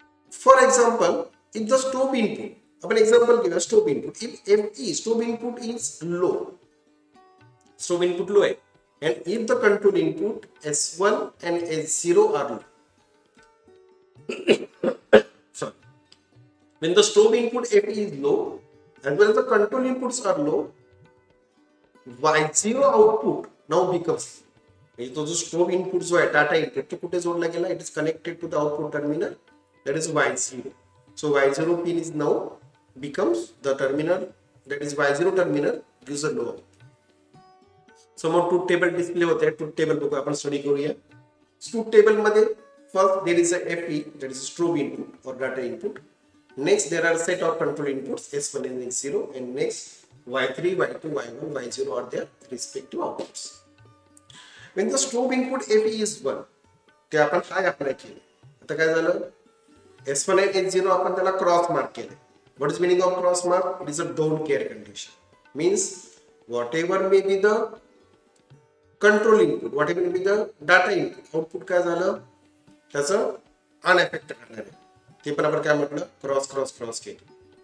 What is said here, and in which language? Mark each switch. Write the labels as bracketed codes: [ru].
[en] For example, if the strobe input, if strobe input is low, and if the control input S1 and S0 are low, when the strobe input FE is low, as well as the control inputs are low, Y0 output now becomes low. So the strobe input, so data input, it is connected to the output terminal, that is Y0. So Y0 pin is now becomes the terminal, that is Y0 terminal gives a low output. [mr] समोर truth table display होते, truth table बघू आपण study करूया. [en] Truth table मध्ये first there is a FE, that is strobe input for data input. Next there are set of control inputs S1 and S0 and next Y3, Y2, Y1, Y0 are their respective outputs. When the strobe input FE is 1, [mr] ते आपण काय apply केले, आता काय झालं, [en] S1 and S0 [mr] आपण त्याला cross mark केले. [en] What is meaning of cross mark? It is a don't care condition. Means whatever may be the control input, whatever may be the data input, output [mr] काय झालं त्याचं अनएफेक्ट करणार आहे, ते पण आपण काय म्हटलं क्रॉस क्रॉस क्रॉस केले.